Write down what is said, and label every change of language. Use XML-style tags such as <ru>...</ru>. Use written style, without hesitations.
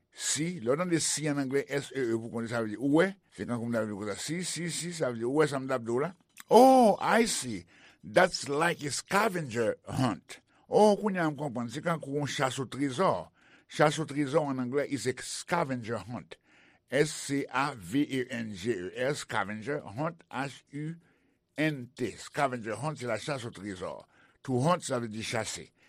<fr>si, l'on a des si en anglais, S-E-E, vous connaissez, ça veut dire, ouais, c'est quand vous m'avez dit, si, si, si, ça veut dire, ouais, ça me d'abdo là.</fr> <en>Oh, I see, that's like a scavenger hunt.</en> <fr>Oh, vous n'avez pas compris, c'est quand on chasse au trésor. Chasse au trésor en anglais,</fr> <en>is a scavenger hunt. S-C-A-V-E-N-G-E-R, scavenger hunt, H-U-N-T.</en> <fr>Scavenger hunt, c'est la chasse au trésor.</fr> <en>To hunt,</en> <fr>ça veut dire chasser.</fr>